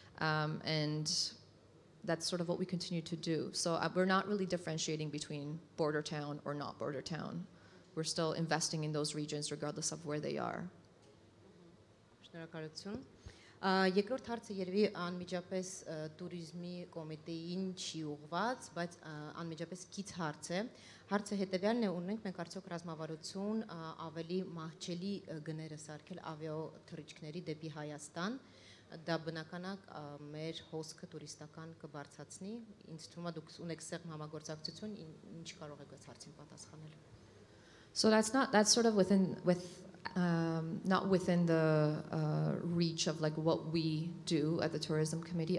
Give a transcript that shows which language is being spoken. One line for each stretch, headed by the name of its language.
English: And that's sort of what we continue to do. So we're not really differentiating between border town or not border town. We're still investing in those regions regardless of where they are.
Armenian: Շնորհակալություն։ Երկրորդ հարցը երևի անմիջապես ቱրիզմի կոմիտեին չի ուղված, բայց անմիջապես կից հարց է։ Հարցը հետևյալն է, ունենք մենք արդյոք ռազմավարություն ավելի մահճելի գները սարքել ավիաթռիչքների դեպի Հայաստան, դա բնականաբար մեր հոսքը տուրիստական կբարձրացնի։ Ինձ թվում է դուք ունեք սեղմ համագործակցություն, ինչ կարող եք այս հարցին պատասխանել։
English: So that's sort of not within the reach of like what we do at the tourism committee.